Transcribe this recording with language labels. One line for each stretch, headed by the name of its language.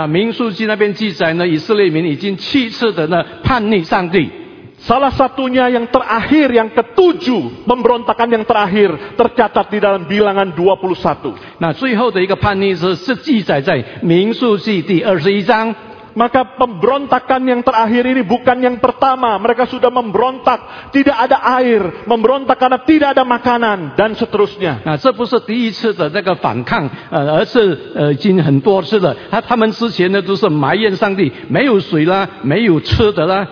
Chinese: Nah, 民数记那边记载呢，以色列民已经7次的呢叛逆上帝。
Indonesian: Salah satunya yang terakhir, yang ketujuh, pemberontakan yang terakhir tercatat di dalam bilangan 21.
Chinese: Nah, 最后的一个叛逆是记载在民数记第21章。
Indonesian: Maka pemberontakan yang terakhir ini bukan yang pertama. Mereka sudah memberontak, tidak ada air, memberontak karena tidak ada makanan, dan seterusnya.
Chinese: Nah, 这不是第一次的那个反抗，而是已经很多次了。他们之前呢都是埋怨上帝，没有水啦，没有吃的啦。